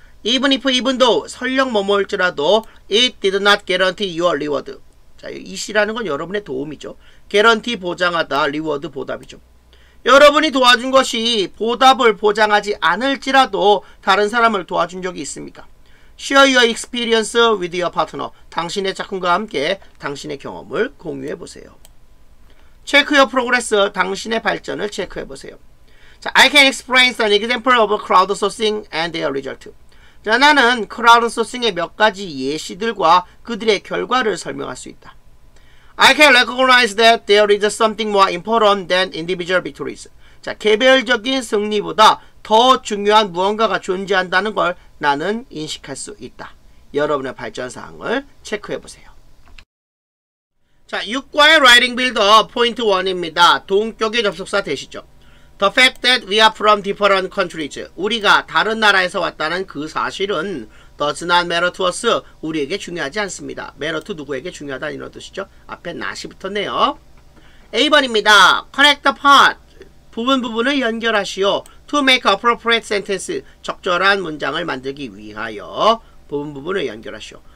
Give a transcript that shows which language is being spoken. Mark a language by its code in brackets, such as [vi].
[en] Even if, even though, [ko] 설령 뭐뭐일지라도 [en] It did not guarantee your reward. [ko] 자, it이라는 건 여러분의 도움이죠. Guarantee 보장하다, reward 보답이죠. 여러분이 도와준 것이 보답을 보장하지 않을지라도 다른 사람을 도와준 적이 있습니까? [en] Share your experience with your partner. [ko] 당신의 작품과 함께 당신의 경험을 공유해 보세요. [en] Check your progress. [ko] 당신의 발전을 체크해 보세요. [en] 자, I can explain an example of crowdsourcing and their result. [ko] 자, 나는 crowdsourcing의 몇 가지 예시들과 그들의 결과를 설명할 수 있다. [en] I can recognize that there is something more important than individual victories. [ko] 자, 개별적인 승리보다 더 중요한 무언가가 존재한다는 걸 나는 인식할 수 있다. 여러분의 발전사항을 체크해보세요. 자, 6과의 writing builder 포인트 1입니다. 동격의 접속사 되시죠. [en] The fact that we are from different countries. [ko] 우리가 다른 나라에서 왔다는 그 사실은 [en] does not matter to us. [ko] 우리에게 중요하지 않습니다. matter to 누구에게 중요하다는 이런 뜻이죠. 앞에 not이 붙었네요. A번입니다. [en] Connect the part. [ko] 부분 부분을 연결하시오. [en] To make appropriate sentence. [ko] 적절한 문장을 만들기 위하여 부분 부분을 연결하시오.